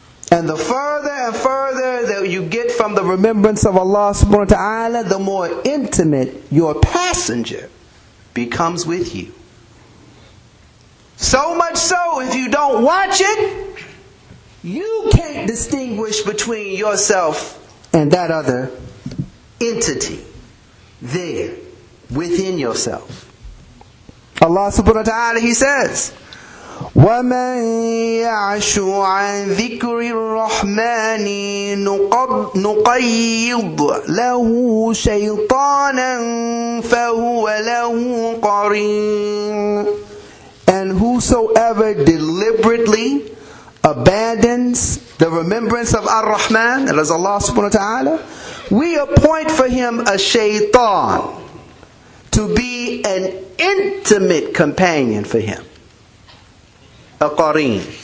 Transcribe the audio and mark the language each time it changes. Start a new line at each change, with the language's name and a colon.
English: And the further and further that you get from the remembrance of Allah subhanahu wa ta'ala, the more intimate your passenger becomes with you. So much so, if you don't watch it, you can't distinguish between yourself and that other entity there within yourself. Allah subhanahu wa ta'ala, He says,
Arabic: وَمَنْ يَعْشُ عَنْ ذِكْرِ الرَّحْمَنِ نُقَيِّضْ لَهُ شَيْطَانًا فَهُوَ لَهُ قَرِينٌ.
English: And whosoever deliberately abandons the remembrance of Ar-Rahman, that is Allah subhanahu wa ta'ala, we appoint for him a shaytan to be an intimate companion for him. A qareen.